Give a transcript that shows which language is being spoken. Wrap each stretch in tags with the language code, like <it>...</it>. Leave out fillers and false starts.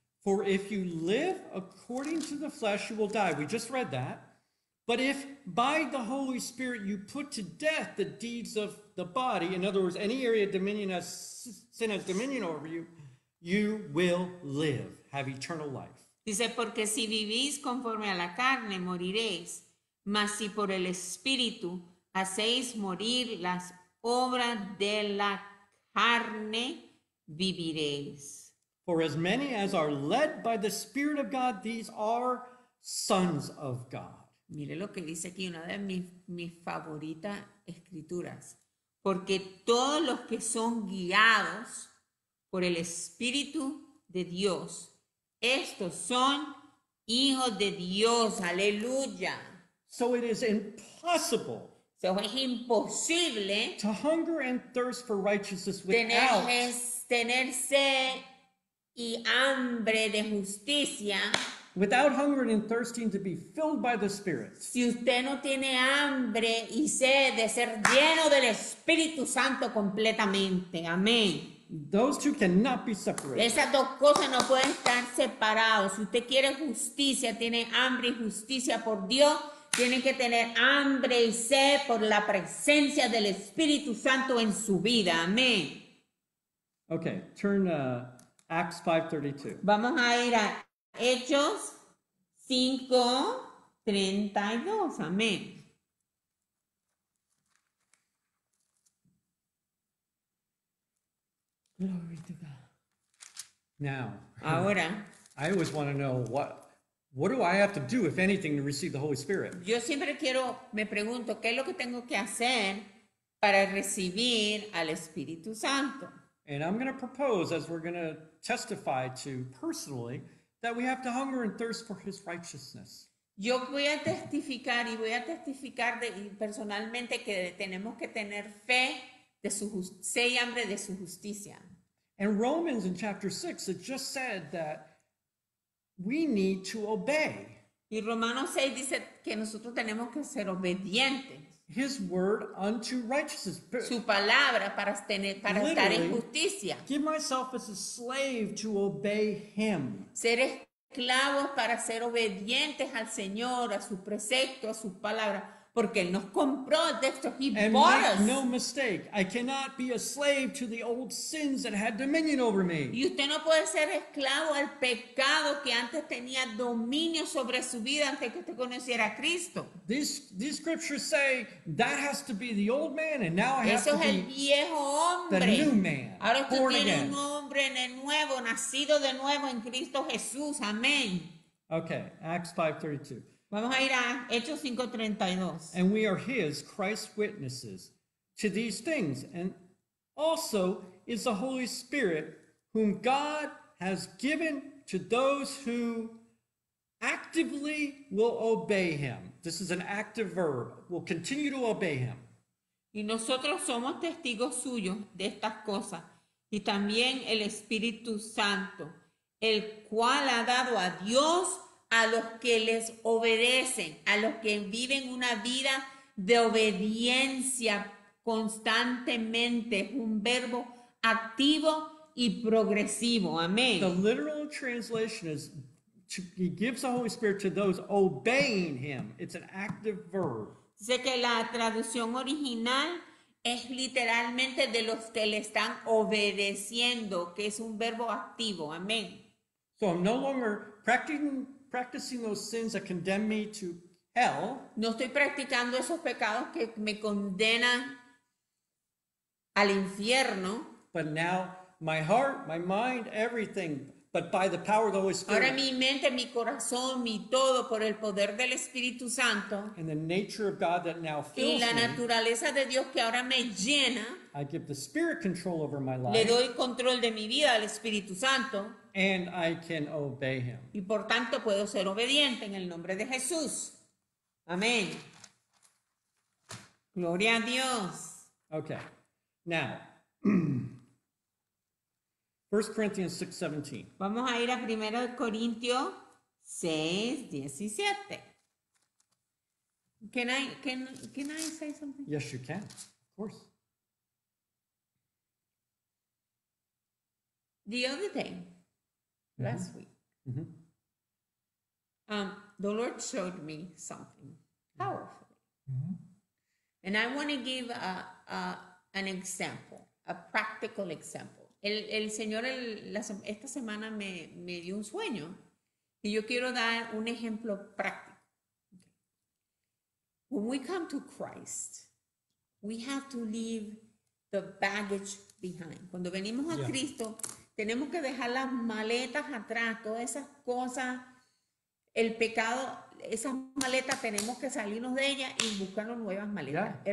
<en>For if you live according to the flesh, you will die. We just read that. But if by the Holy Spirit you put to death the deeds of the body, in other words, any area of dominion has sin has dominion over you, you will live, have eternal life.</en> <es>Dice, porque si vivís conforme a la carne, moriréis. Mas si por el Espíritu hacéis morir las obras de la carne, viviréis.</es> <en>For as many as are led by the Spirit of God, these are sons of God.</en> <es>Mire lo que dice aquí, una de mis favoritas escrituras. Porque todos los que son guiados por el Espíritu de Dios, estos son hijos de Dios. Aleluya.</es> <en>So it is impossible.</en> <es>So es imposible.</es> <en>To hunger and thirst for righteousness without.</en> <es>Tener sed y hambre de justicia.</es> <en>Without hungering and thirsting to be filled by the Spirit.</en> <es>Si usted no tiene hambre y sed de ser lleno del Espíritu Santo completamente. Amén.</es> <en>Those two cannot be separated.</en> <es>Esas dos cosas no pueden estar separadas. Si usted quiere justicia, tiene hambre y justicia por Dios, tiene que tener hambre y sed por la presencia del Espíritu Santo en su vida. Amén.</es> <en>Okay, turn Acts 5:32.</en> <es>Vamos a ir a Hechos 5:32. Amén.</es> <en>Glory to God. Now,</en> <es>ahora,</es> <en>I always want to know what do I have to do, if anything, to receive the Holy Spirit?</en> <es>Yo siempre quiero, me pregunto, ¿qué es lo que tengo que hacer para recibir al Espíritu Santo?</es> <en>And I'm going to propose, as we're going to testify to personally, that we have to hunger and thirst for his righteousness.</en> <es>Yo voy a testificar y voy a testificar de, personalmente que tenemos que tener fe de su sed y hambre de su justicia.</es> <en>And Romans in chapter 6, it just said that we need to obey.</en> <es>Y Romanos 6 dice que nosotros tenemos que ser obedientes.</es> <en>His word unto righteousness.</en> <es>Su palabra para, tener, para estar en justicia.</es> <en>Give myself as a slave to obey him.</en> <es>Ser esclavos para ser obedientes al Señor, a su precepto, a su palabra. Porque él nos compró de esto,</es> <en>he and bought make us. No mistake, I cannot be a slave to the old sins that had dominion over me.</en> <es>Y usted no puede ser esclavo al pecado que antes tenía dominio sobre su vida antes que usted conociera a Cristo.</es> <en>These scriptures say that has to be the old man, and now I</en> <es>eso</es> <en>have to</en> <es>es el viejo hombre.</es> <en>The new man.</en> <es>Ahora usted</es> <en>born</en> <es>tiene</es> <en>again.</en> <es>Un hombre en el nuevo, nacido de nuevo en Cristo Jesús. Amén.</es> <en>Okay, Acts 5:32.</en> <es>Vamos a ir a Hechos 5:32.</es> <en>And we are his, Christ's witnesses, to these things. And also is the Holy Spirit, whom God has given to those who actively will obey him. This is an active verb, will continue to obey him.</en> <es>Y nosotros somos testigos suyos de estas cosas. Y también el Espíritu Santo, el cual ha dado a Dios a los que les obedecen, a los que viven una vida de obediencia constantemente. Es un verbo activo y progresivo. Amén.</es> <en>The literal translation is he gives the Holy Spirit to those obeying him. It's an active verb.</en> <es>Sé que la traducción original es literalmente de los que le están obedeciendo, que es un verbo activo. Amén.</es> <en>So I'm no longer practicing those sins that condemn me to hell.</en> <es>No estoy practicando esos pecados que me condenan al infierno.</es> <en>But now my heart, my mind, everything, but by the power of the Holy Spirit.</en> <es>Ahora mi mente, mi corazón, mi todo, por el poder del Espíritu Santo.</es> <en>And the nature of God that now fills me.</en> <es>Y la naturaleza</es> <en>me,</en> <es>de Dios que ahora me llena.</es> <en>I give the Spirit control over my life.</en> <es>Le doy control de mi vida al Espíritu Santo.</es> <en>And I can obey him.</en> <es>Y por tanto puedo ser obediente en el nombre de Jesús. Amén. Gloria a Dios.</es> <en>Okay. Now, 1 Corinthians 6:17.</en> <es>Vamos a ir a 1 Corintios 6:17.</es> <en>Can I say something? Yes, you can. Of course. The other day, last week, the Lord showed me something powerful. And I want to give an example, a practical example.</en> <es>El Señor esta semana me dio un sueño y yo quiero dar un ejemplo práctico.</es> <en>Okay. When we come to Christ, we have to leave the baggage behind.</en> <es>Cuando venimos a Cristo, tenemos que dejar las maletas atrás, todas esas cosas, el pecado, esas maletas, tenemos que salirnos de ellas y buscarnos nuevas maletas. Yeah.</es>